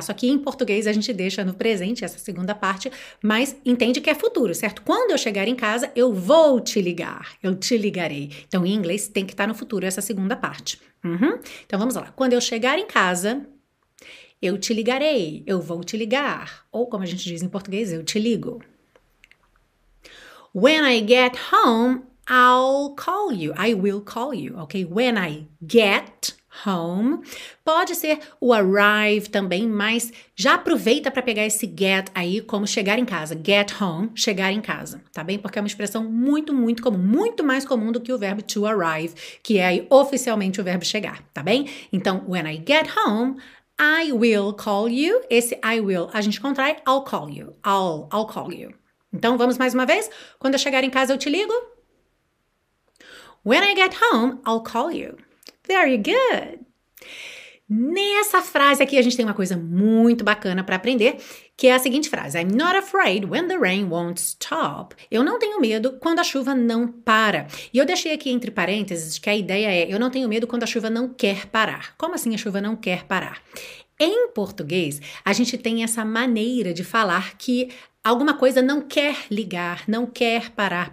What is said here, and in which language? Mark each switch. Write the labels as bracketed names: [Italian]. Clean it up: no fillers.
[Portuguese] Só que em português a gente deixa no presente essa segunda parte, mas entende que é futuro, certo? Quando eu chegar em casa, eu vou te ligar, eu te ligarei. Então, em inglês, tem que estar no futuro essa segunda parte. Uhum. Então, vamos lá. Quando eu chegar em casa, eu te ligarei, eu vou te ligar. Ou, como a gente diz em português, eu te ligo. [English] When I get home, I'll call you. I will call you, ok? When I get home. [Portuguese] Pode ser o arrive também, mas já aproveita para pegar esse get aí como chegar em casa. [English] Get home, [Portuguese] chegar em casa, tá bem? Porque é uma expressão muito, muito comum, muito mais comum do que o verbo to arrive, que é aí oficialmente o verbo chegar, tá bem? Então, [English] when I get home, I will call you. [Portuguese] Esse [English] I will [Portuguese] a gente contrai, [English] I'll call you. I'll call you. [Portuguese] Então, vamos mais uma vez? Quando eu chegar em casa, eu te ligo? [English] When I get home, I'll call you. Very good. [Portuguese] Nessa frase aqui, a gente tem uma coisa muito bacana para aprender, que é a seguinte frase. [English] I'm not afraid when the rain won't stop. [Portuguese] Eu não tenho medo quando a chuva não para. E eu deixei aqui entre parênteses que a ideia é eu não tenho medo quando a chuva não quer parar. Como assim a chuva não quer parar? Em português, a gente tem essa maneira de falar que alguma coisa não quer ligar, não quer parar.